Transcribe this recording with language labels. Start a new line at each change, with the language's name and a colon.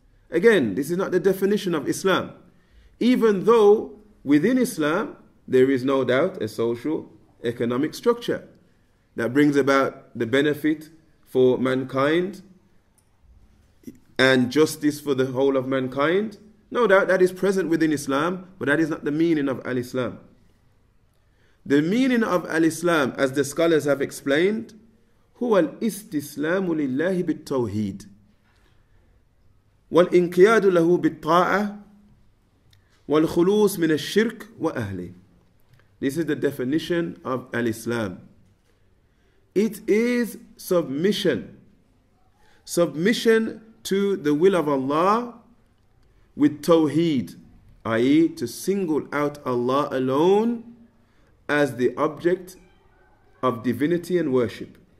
English: Again, this is not the definition of Islam. Even though within Islam, there is no doubt a social economic structure that brings about the benefit for mankind and justice for the whole of mankind. No doubt that is present within Islam, but that is not the meaning of Al-Islam. The meaning of Al-Islam, as the scholars have explained,
Arabic: هُوَ الْإِسْتِسْلَامُ لِلَّهِ بِالتَّوْهِيدِ وَالْإِنْقِيَادُ لَهُ بِالطَّاعَةِ وَالْخُلُوصُ مِنَ الشِّرْكِ وَأَهْلِهِ.
English: This is the definition of Al-Islam. It is submission. Submission to the will of Allah with tawheed, i.e. to single out Allah alone as the object of divinity and worship.